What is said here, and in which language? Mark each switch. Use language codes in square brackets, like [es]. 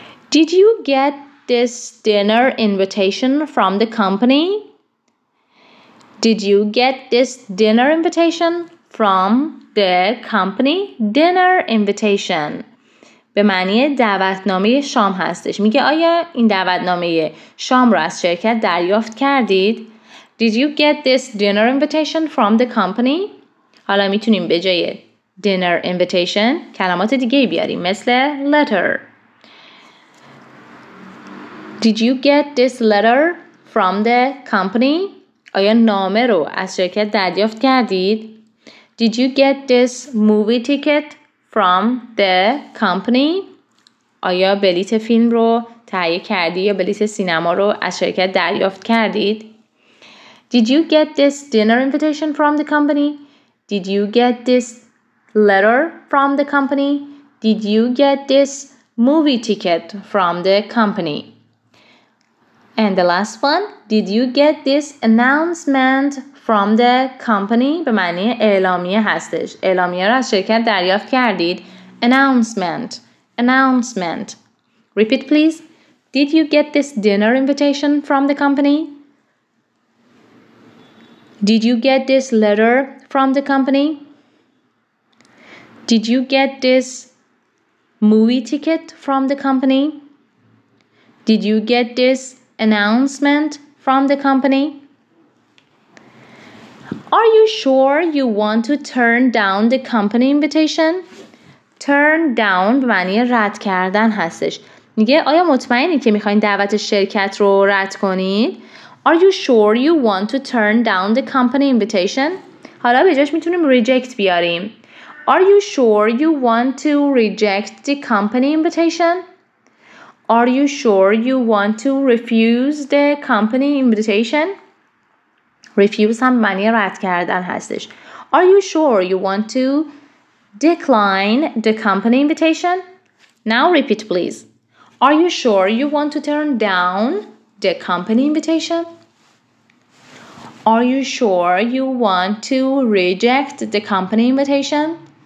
[en] Did you get this dinner invitation from the company؟ Did you get this dinner invitation from the company؟ Dinner invitation [fa] به معنی دعوتنامه شام هستش. میگه آیا این دعوتنامه شام رو از شرکت دریافت کردید؟ [en] Did you get this dinner invitation from the company؟ [fa] حالا میتونیم به جای dinner invitation کلمات دیگه بیاریم، مثل letter. [en] Did you get this letter from the company؟ [fa] آیا نامه رو از شرکت دریافت کردید؟ Did you get this movie ticket from the company؟ آیا بلیت فیلم رو تهیه کردی یا بلیت سینما رو از شرکت دریافت کردید؟ [en] Did you get this dinner invitation from the company؟ Did you get this letter from the company؟ Did you get this movie ticket from the company؟ And the last one، Did you get this announcement from the company؟ [fa] به معنی اعلامیه هستش. اعلامیه را از شرکت دریافت کردید؟ Announcement، announcement. [en] Repeat please. Did you get this dinner invitation from the company؟ Did you get this letter from the company؟ Did you get this movie ticket from the company؟ Did you get this announcement from the company؟ Are you sure you want to turn down the company invitation? [fa] Turn down به معنی رد کردن هستش. میگه آیا مطمئنی که میخواین دعوت شرکت رو رد کنین؟ [en] Are you sure you want to turn down the company invitation? [fa] حالا به جاش میتونیم reject بیاریم. [en] Are you sure you want to reject the company invitation? Are you sure you want to refuse the company invitation? [fa] Refuse هم معنی رد کردن هستش. [en] Are you sure you want to decline the company invitation? Now repeat please. Are you sure you want to turn down the company invitation? Are you sure you want to reject the company invitation?